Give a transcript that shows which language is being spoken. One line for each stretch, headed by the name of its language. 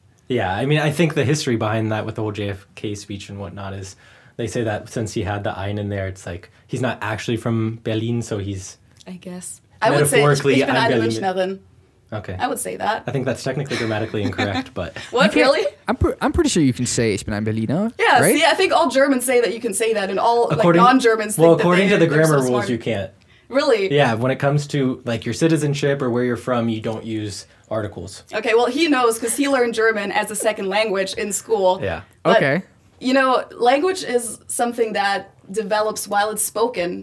English: Yeah, I mean, I think the history behind that with the whole JFK speech and whatnot is they say that since he had the ein in there, it's like he's not actually from Berlin, so he's. I guess. I would say metaphorically, I'm Berlin. Okay. I would say that. I think that's technically grammatically incorrect, but. What, really? I'm pretty sure you can say
German: Ich bin ein Berliner.
English: Yeah, right? See, I think all Germans say that you can say that, and all like, non-Germans think well, according that to the grammar so rules, smart. You can't. Really? Yeah, when it comes to like your citizenship or where you're from, you don't use articles. Okay, well, he knows because he learned German as a second language in school. Yeah. But, okay. You know, language is something that develops while it's spoken.